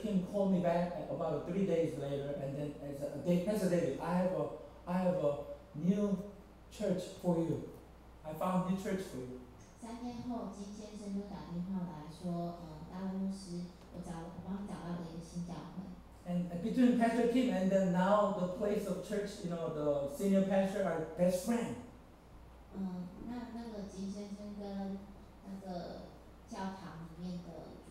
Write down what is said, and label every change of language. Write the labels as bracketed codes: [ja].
[en] Kim called me back about 3 days later, and then said, Pastor David, I have a new church for you. I found a new church for you. [zh] 3天后，金先生就打电话来说，大牧师，我帮你找到了一个新教会。And [en] between Pastor Kim and then now the place of church, you know, the senior pastor are best friends. [zh] 那个金先生跟那个教堂里面的。